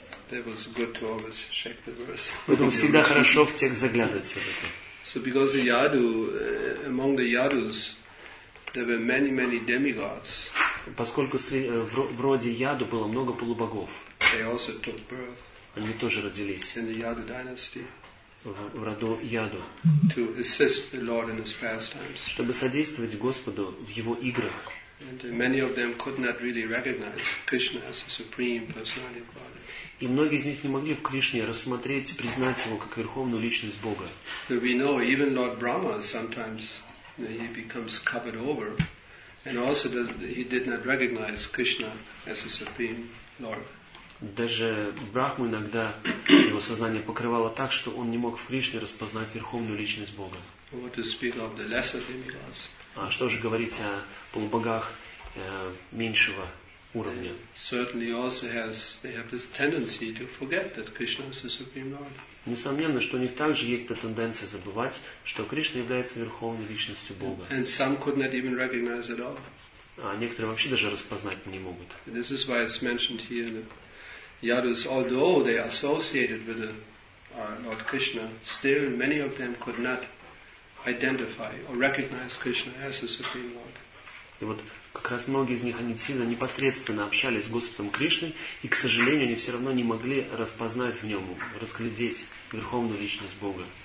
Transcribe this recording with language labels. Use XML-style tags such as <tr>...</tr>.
<en>That was good to always check the verse.</en> <ru>Поэтому всегда хорошо в текст заглядываться в это.</ru> <en>So because the Yadu, among the Yadus, there were many, many demigods.</en> <ru>Поскольку в роде Яду было много полубогов.</ru> <en>They also took birth.</en> <ru>Они тоже родились.</ru> <en>In the Yadu dynasty.</en> <ru>В роду Яду.</ru> <en>To assist the Lord in his pastimes.</en> <ru>Чтобы содействовать Господу в его играх.</ru> <en>And many of them could not really recognize Krishna as the supreme personality of God.</en> <ru>И многие из них не могли в Кришне рассмотреть, признать его как верховную личность Бога.</ru> <en>We know even Lord Brahma sometimes he becomes covered over, and also he did not recognize Krishna as the supreme Lord.</en> <ru>Даже Брахму иногда его сознание покрывало так, что он не мог в Кришне распознать верховную личность Бога.</ru> <en>What to speak of the lesser demigods?</en> <ru>А что же говорить о полубогах меньшего? Уровня.</ru> <en>Certainly also has they have this tendency to forget that Krishna is the Supreme Lord.</en> <ru>Несомненно, что у них также есть эта тенденция забывать, что Кришна является верховной личностью Бога.</ru> <en>And some could not even recognize at all.</en> <ru>А некоторые вообще даже распознать не могут.</ru> <en>And this is why it's mentioned here that Yadus, although they are associated with the Lord Krishna, still many of them could not identify or recognize Krishna as the Supreme Lord.</en> <ru>И вот как раз многие из них, они сильно непосредственно общались с Господом Кришной, и, к сожалению, они все равно не могли распознать в нем, разглядеть Верховную Личность Бога.</ru>